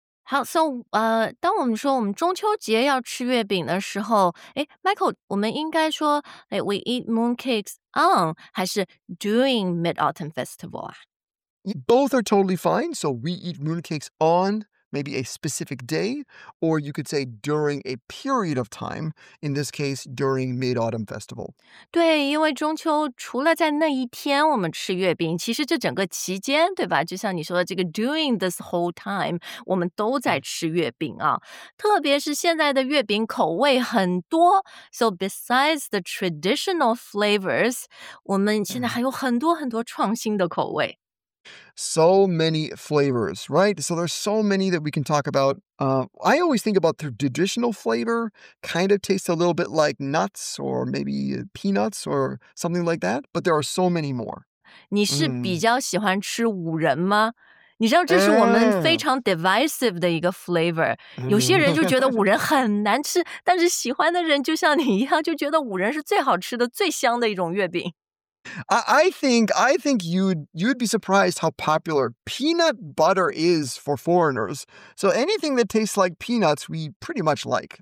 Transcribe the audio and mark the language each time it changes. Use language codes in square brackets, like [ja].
[zh] 好 so, 当我们说我们中秋节要吃月饼的时候 Michael, 我们应该说 [en] we eat mooncakes on [zh] 还是 [en] during Mid-Autumn Festival? Both are totally fine. So we eat mooncakes on... maybe a specific day, or you could say during a period of time, in this case, during Mid-Autumn Festival. [zh] 对，因为中秋除了在那一天我们吃月饼，其实这整个期间，对吧？就像你说的这个 [en] during this whole time, [zh] 我们都在吃月饼啊。特别是现在的月饼口味很多 , [en] so besides the traditional flavors, [zh] 我们现在还有很多很多创新的口味。 [en] So many flavors, right? So there's so many that we can talk about. I always think about the traditional flavor, kind of tastes a little bit like nuts or maybe peanuts or something like that, but there are so many more. [zh] 你是比较喜欢吃五仁吗？你知道这是我们非常 divisive 的一个 flavor. 有些人就觉得五仁很难吃，但是喜欢的人就像你一样，就觉得五仁是最好吃的，最香的一种月饼。 [en] I think you'd be surprised how popular peanut butter is for foreigners. So anything that tastes like peanuts, we pretty much like.